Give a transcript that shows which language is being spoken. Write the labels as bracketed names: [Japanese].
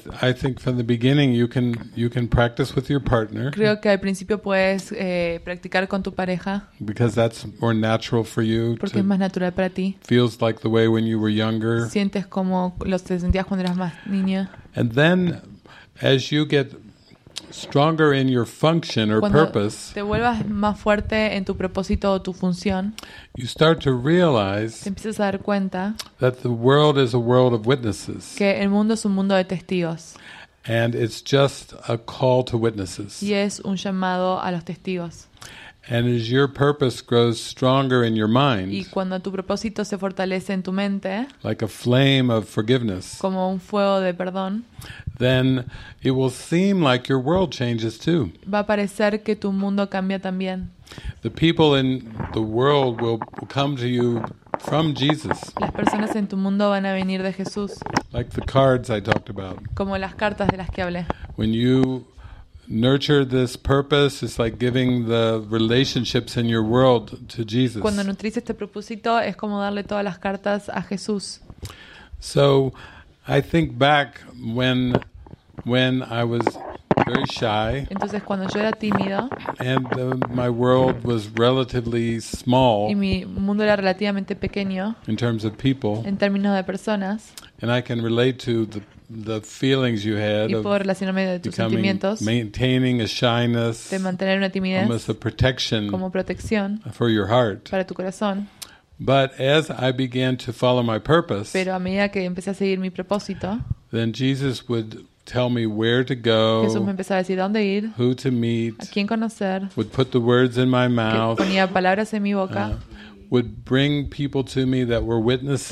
[English] I think from the beginning you can practice with your partner. [Spanish] Creo que al principio puedes practicar con tu pareja. [English] Because that's more natural for you. [Spanish] Porque es más natural para ti. [English] Feels like the way when you were younger. [Spanish] Sientes como lo te sentías cuando eras más niña. [English] And then, as you get stronger in your function or [Spanish] cuando [English] purpose, [Spanish] te vuelvas más fuerte en tu propósito o tu función, [English] you start to realize [Spanish] te empiezas a dar cuenta [English] that the world is a world of witnesses. [Spanish] Que el mundo es un mundo de testigos. [English] And it's just a call to witnesses. [Spanish] Y es un llamado a los testigos. [English] And as your purpose grows stronger in your mind, [Spanish] y cuando tu propósito se fortalece en tu mente, [English] like a flame of forgiveness, [Spanish] como un fuego de perdón, [English] then it will seem like your world changes too. [Spanish] Va a parecer que tu mundo cambia también. [English] The people in the world will come to you from Jesus. [Spanish] Las personas en tu mundo van a venir de Jesús. [English] Like the cards I talked about. [Spanish] Como las cartas de las que hablé. [English] When you nurture this purpose, it's like giving the relationships in your world to Jesus. [Spanish] Cuando nutrís este propósito, es como darle todas las cartas a Jesús. [English] So I think back when I was very shy. [Spanish] Entonces cuando yo era tímido. [English] And my world was relatively small. [Spanish] Y mi mundo era relativamente pequeño. [English] In terms of people. [Spanish] En términos de personas. [English] And I can relate to the feelings you had [Spanish] y puedo relacionarme de tus sentimientos, [English] maintaining a shyness, [Spanish] de mantener una timidez, [English] almost a protection, [Spanish] como protección, [English] for your heart, [Spanish] para tu corazón. [English] But as I began to follow my purpose, [Spanish] pero a medida que empecé a seguir mi propósito, [English] then Jesus would tell me where to go, [Spanish] Jesús me empezaba a decir dónde ir, [English] who to meet, [Spanish] a quién conocer, [English] would put the words in my mouth, [Spanish] ponía palabras en mi boca. [English] Would bring people to me that were witnesses,